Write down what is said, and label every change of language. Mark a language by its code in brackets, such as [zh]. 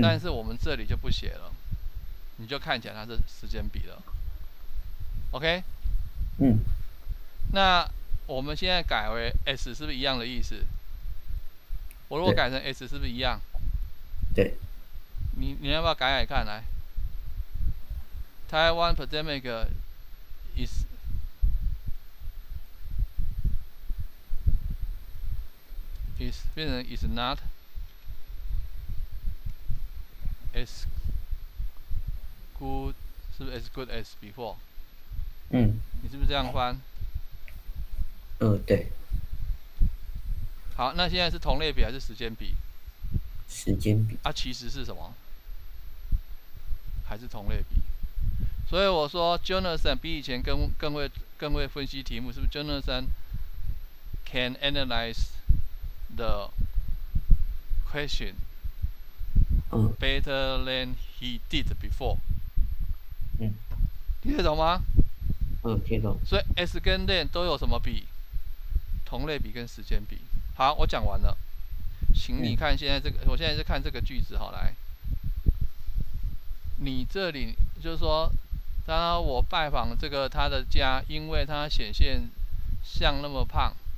[zh] 但是我们这里就不写了，你就看起来它是时间比了。 OK。嗯，那我们现在改为 S 是不是一样的意思？我如果改成 S 是不是一样？对。你要不要改改看来？ [en] 台湾 pandemic is is not as good， [zh] 是不是 [en] as good as before？嗯， [zh] 你是不是这样翻？对。好，那现在是同类比还是时间比？时间比。啊，其实是什么？还是同类比。所以我说 ，Jonathan 比以前更会分析题目，是不是 ？ [en] Jonathan can analyze。 The question better than he did before。嗯， [zh] 听得懂吗？嗯，听懂。所以 S 跟 than 都有什么比？同类比跟时间比。好，我讲完了，请你看现在这个，我现在是看这个句子。好，来，你这里就是说，当我拜访这个他的家，因为他显现像那么胖，